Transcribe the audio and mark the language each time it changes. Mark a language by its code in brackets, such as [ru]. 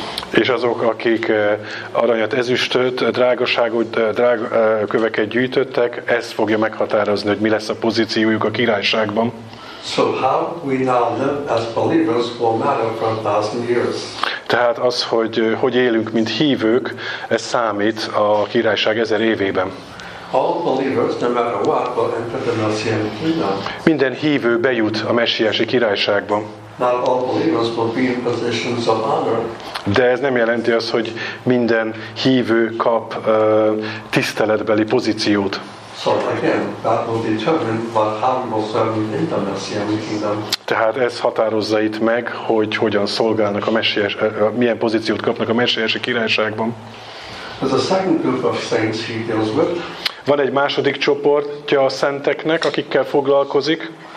[hu] És azok, akik aranyat, ezüstöt, drágaságot, köveket gyűjtöttek, ez fogja meghatározni, hogy mi lesz a pozíciójuk a királyságban. [en] So how we now live as believers will matter for a thousand years. [hu] Tehát az, hogy élünk mint hívők, ez számít a királyság 1000 évében. [en] All believers, no matter what, will enter the Messianic kingdom. [hu] Minden hívő bejut a messiási királyságba. [en] Not all believers will be in positions of honor. [hu] De ez nem jelenti azt, hogy minden hívő kap tiszteletbeli pozíciót. [en] So again, that will determine what harm will serve in the Messianic kingdom. [hu] Tehát ez határozza itt meg, hogy hogyan szolgálnak a messiás, milyen pozíciót kapnak a messiási királyságban. [en] There's a second group of saints he deals with. [hu] Van egy második csoportja a szenteknek, akikkel foglalkozik.